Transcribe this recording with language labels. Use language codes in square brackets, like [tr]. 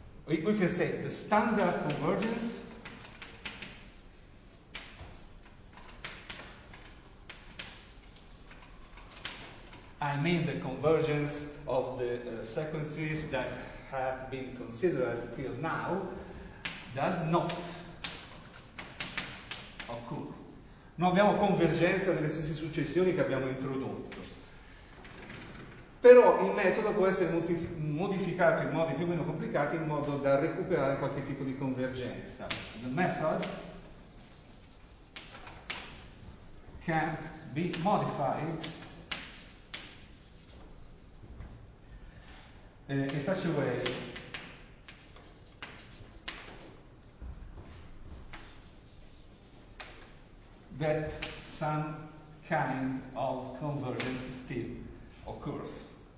[en] we can say the standard convergence I mean the convergence of the sequences that have been considered till now does not occur. [it] Non abbiamo convergenza delle stesse successioni che abbiamo introdotto. Però il metodo può essere modificato in modi più o meno complicati in modo da recuperare qualche tipo di convergenza. [en] The method can be modified in such a way that some kind of convergence still occurs.